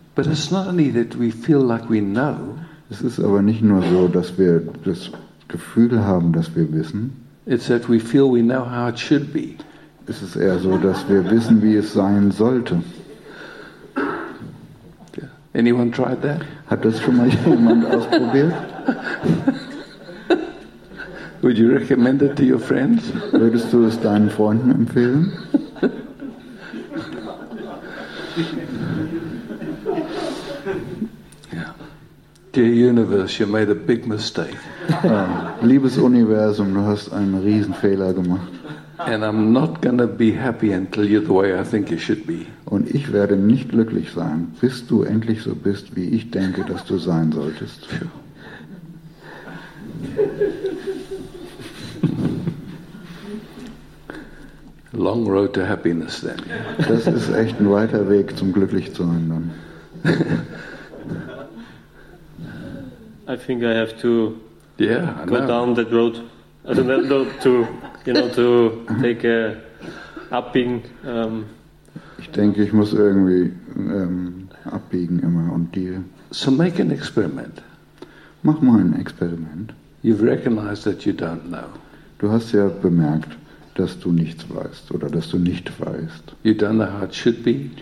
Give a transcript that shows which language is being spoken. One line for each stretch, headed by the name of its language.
English: But it's not only that we feel like we know.
German: Es ist aber nicht nur so, dass wir das Gefühl haben, dass wir wissen.
English: It's that we feel we know how it should be.
German: Es ist eher so, dass wir wissen, wie es sein sollte.
English: Anyone tried that?
German: Hat das schon mal jemand ausprobiert?
English: Would you recommend it to your friends?
German: Würdest du es deinen Freunden empfehlen?
English: Dear universe, you made a big mistake.
German: Liebes Universum, du hast einen Riesenfehler gemacht.
English: And I'm not gonna be happy until you're the way I think you should be.
German: Und ich werde nicht glücklich sein, bis du endlich so bist, wie ich denke, dass du sein solltest.
English: Long road to happiness, then.
German: Das ist echt ein weiter Weg zum glücklich zu sein, dann.
English: I think I have to yeah, go no. down that road. I don't know, to, you know, to take a upping.
German: Ich denke, ich muss irgendwie abbiegen immer und dir.
English: So make an experiment.
German: Mach mal ein Experiment.
English: You've recognized that you don't know.
German: Du hast ja bemerkt, dass du nichts weißt oder dass du nicht weißt.
English: You don't know how it should be.